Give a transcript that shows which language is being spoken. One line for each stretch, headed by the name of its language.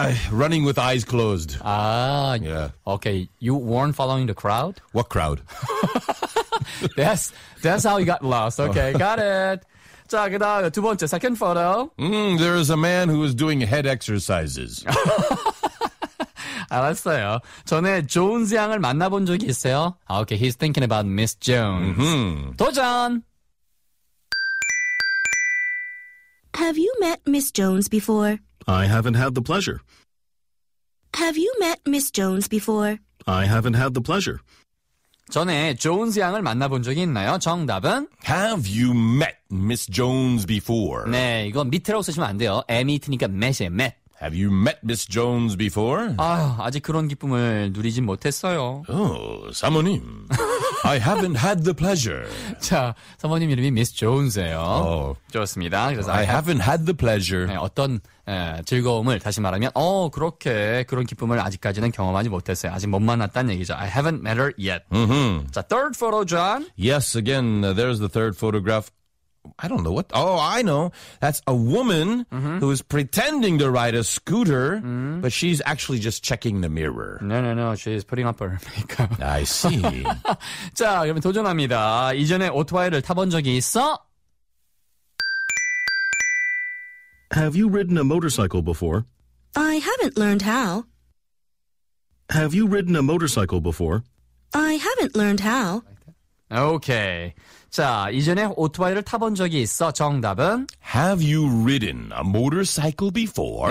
English: Running with eyes closed. Ah, yeah. Okay, you weren't following the crowd? What crowd? That's how you got lost. Okay, got it.
Korean: 자, 그 다음 두 번째,
English: second photo. There is a man who is doing head exercises.
Korean: 알았어요. 전에 존스 양을 만나본 적이 있어요.
English: Okay, he's thinking about Miss Jones. Mm-hmm.
Korean: 도전!
English: Have you met Miss Jones before? I haven't had the pleasure. Have you met Miss Jones before? I haven't had the pleasure.
Korean: 전에 존스 양을 만나본 적이 있나요? 정답은?
English: Have you met Miss Jones before?
Korean: 네, 이거 meet라고 쓰시면 안 돼요. meet니까 met이에요, met.
English: Have you met Miss Jones before?
Korean: 아직 그런 기쁨을 누리진 못했어요. Oh, 사모님.
English: I haven't had the pleasure.
Korean: 자, 사모님 이름이 Miss Jones예요. Oh, 좋습니다. 그래서
English: I haven't had the pleasure.
Korean: 네, 어떤 즐거움을 다시 말하면 그렇게 그런 기쁨을 아직까지는 경험하지 못했어요. 아직 못 만났다는 얘기죠.
English: I haven't met her yet. Mm-hmm. 자, third photo, John. Yes, again, there's the third photograph. I don't know what. Oh, I know. That's a woman mm-hmm. who is pretending to ride a scooter, mm-hmm. but she's actually just checking the mirror. No. She's putting up her makeup. I see.
Korean: 자, 그러면 도전합니다. 이전에 오토바이를 타본 적이 있어?
English: Have you ridden a motorcycle before? I haven't learned how. Have you ridden a motorcycle before? I haven't learned how. Okay.
Korean: 자, 이전에 오토바이를 타본 적이 있어. 정답은?
English: Have you ridden a motorcycle before?